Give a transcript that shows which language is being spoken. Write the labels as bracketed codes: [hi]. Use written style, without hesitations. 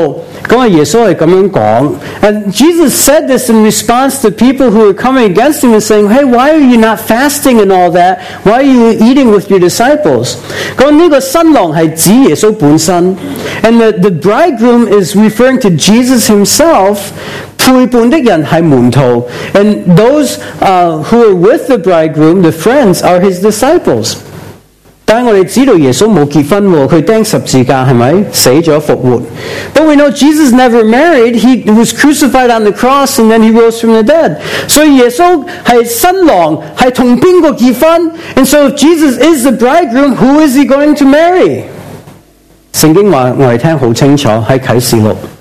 [zh] 这个就是有人当时是挑剔耶稣,因为他又饮饮食食,即是没禁食祷告,那耶稣是这样讲. [en] And Jesus said this in response to people who were coming against him and saying, hey, why are you not fasting and all that? Why are you eating with your disciples? [zh] 那这个新郎是指耶稣本身. [en] And the bridegroom is referring to Jesus himself. [zh] 陪伴的人是门徒, [en] and those who are with the bridegroom, the friends, are his disciples. [zh] 但我们知道耶稣没有结婚,他钉十字架,死了复活. [en] But we know Jesus never married, he was crucified on the cross and then he rose from the dead. [zh] 所以耶稣是新郎,是跟谁结婚? [en] And so if Jesus is the bridegroom, who is he going to marry? [zh] 圣经说,我们听很清楚,在启示录.